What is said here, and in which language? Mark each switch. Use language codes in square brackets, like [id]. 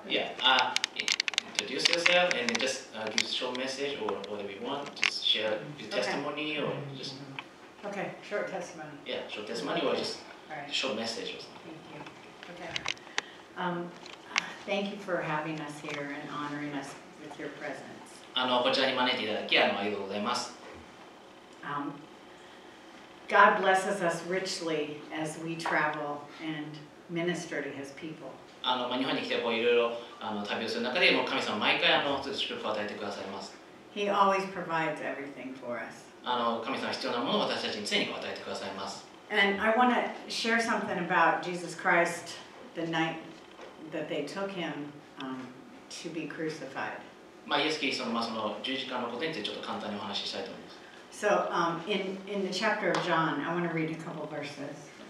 [en] Yeah, introduce yourself and just give a short message or whatever you want. Just share your testimony or just. Okay, short testimony. Yeah, short testimony or just right. Short message or something. Thank you. Okay. Thank you for having us here and honoring us with your presence. [ja] こちらに招いていただきありがとうございます。 [en] God blesses us richly as we travel and minister to his people. [ja] 日本に来てこういろいろ旅をする中でも神様毎回祝福を与えてくださいます。 [en] He always provides everything for us. [ja] 神様は必要なものを私たちに常に与えてくださいます。 [en] And I want to share something about Jesus Christ the night that they took him to be crucified. [ja] イエス・キリストの十字架のことについてちょっと簡単にお話ししたいと思います。 [en] So, in the chapter of John, I want to read a couple verses.